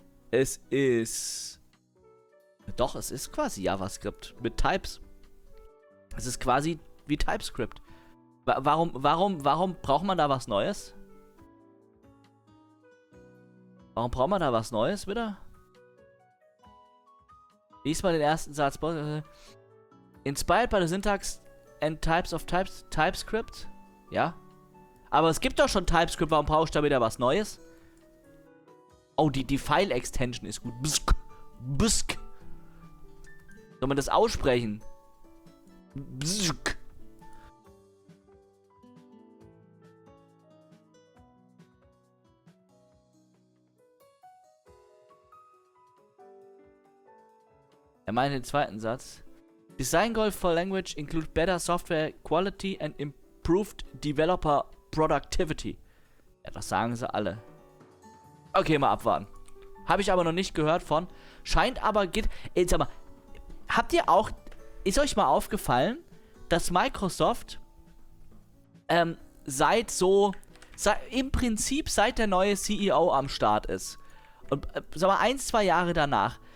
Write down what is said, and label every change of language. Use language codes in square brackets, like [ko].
[de] Es ist, doch, es ist quasi JavaScript mit Types. Es ist quasi wie TypeScript. Warum braucht man da was Neues? Warum braucht man da was Neues wieder? Lies mal den ersten Satz. [en] Inspired by the syntax and types of types, TypeScript. [de] Ja. Aber es gibt doch schon TypeScript. Warum brauche ich da wieder was Neues? Oh, die File-Extension ist gut. Bsk. Bsk. Soll man das aussprechen? Bsk. Er meint den zweiten Satz. [en] Design goals for language include better software quality and improved developer productivity. [de] Ja, das sagen sie alle. Okay, mal abwarten. Habe ich aber noch nicht gehört von. Scheint aber geht. Jetzt sag mal, habt ihr auch. Ist euch mal aufgefallen, dass Microsoft seit so. Im Prinzip seit der neue CEO am Start ist. Und sag mal, ein, zwei Jahre danach.